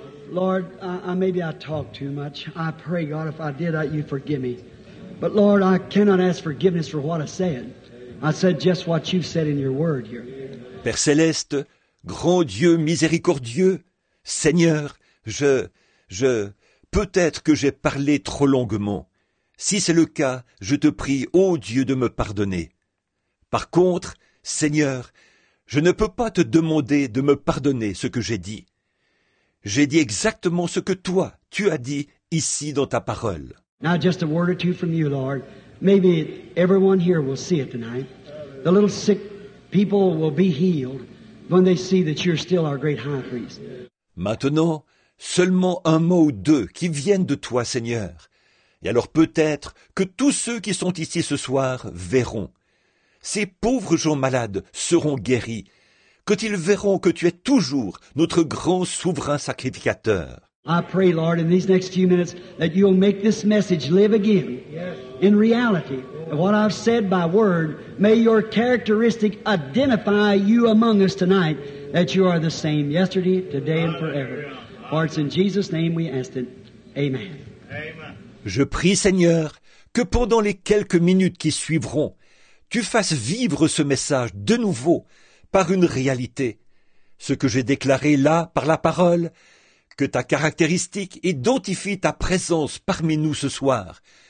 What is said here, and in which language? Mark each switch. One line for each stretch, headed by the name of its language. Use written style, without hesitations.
English: Lord, maybe I talk too much. I pray, God, if I did, you'd forgive me. But Lord, I cannot ask forgiveness for what I said. I said just what you said in your word here.
French: Père Céleste, grand Dieu miséricordieux, Seigneur, je, peut-être que j'ai parlé trop longuement. Si c'est le cas, je te prie, ô Dieu, de me pardonner. Par contre, Seigneur, je ne peux pas te demander de me pardonner ce que j'ai dit. J'ai dit exactement ce que toi, tu as dit ici dans ta parole.
English: Now just a word or two from you, Lord. Maybe everyone here will see it tonight. The little sick people will be healed when they see that you're still our great high priest.
French: Maintenant, seulement un mot ou deux qui viennent de toi, Seigneur. Et alors peut-être que tous ceux qui sont ici ce soir verront. Ces pauvres gens malades seront guéris, quand ils verront que tu es toujours notre grand souverain sacrificateur.
English: I pray, Lord, in these next few minutes that you'll make this message live again. Yes. In reality, what I've said by word, may your characteristic identify you among us tonight, that you are the same yesterday, today, and forever. For it's in Jesus' name we ask it. Amen. Amen.
French: Je prie, Seigneur, que pendant les quelques minutes qui suivront, tu fasses vivre ce message de nouveau par une réalité. Ce que j'ai déclaré là par la parole, que ta caractéristique identifie ta présence parmi nous ce soir.